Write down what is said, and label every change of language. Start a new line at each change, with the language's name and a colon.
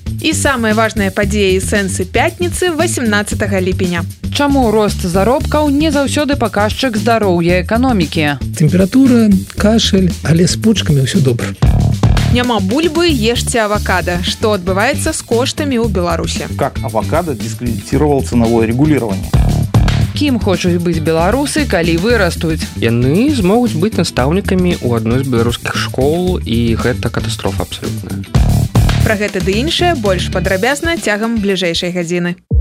Belarusian: І самыя важныя падзеі і сэнсы пятніцы 18 ліпеня. Чаму рост заробкаў не заўсёды паказчык здароўя эканомікі? Температура, кашель, але з почкамі ўсё добра. Няма бульбы, ешце авокадо. Што адбываецца з коштамі ў Беларусі?
Russian: Как авокадо дискредитировал ценавое регулирование?
Belarusian: Кім хочуць быць беларусы, калі вырастуць? Яны змогуць быць настаўнікамі ў адной з беларускіх школ, і гэта катастрофа абсалютна. Пра гэта ды іншае больш падрабязна цягам бліжэйшай гадзіны.